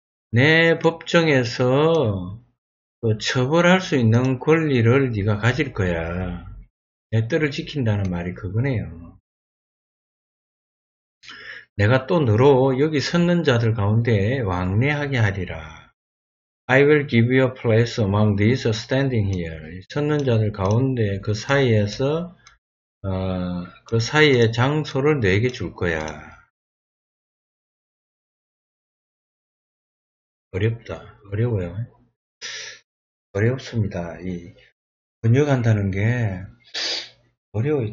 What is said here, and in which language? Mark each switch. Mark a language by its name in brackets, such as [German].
[Korean] 내 법정에서 그 처벌할 수 있는 권리를 네가 가질 거야. 내 뜻을 지킨다는 말이 그거네요. 내가 또 너로 여기 섰는 자들 가운데 왕래하게 하리라. [English] I will give you a place among these standing here. [Korean] 섰는 자들 가운데 그 사이에서 그 사이에 장소를 내게 줄 거야. 어렵다. 어려워요. 어렵습니다. 이 번역한다는 게 어려워요.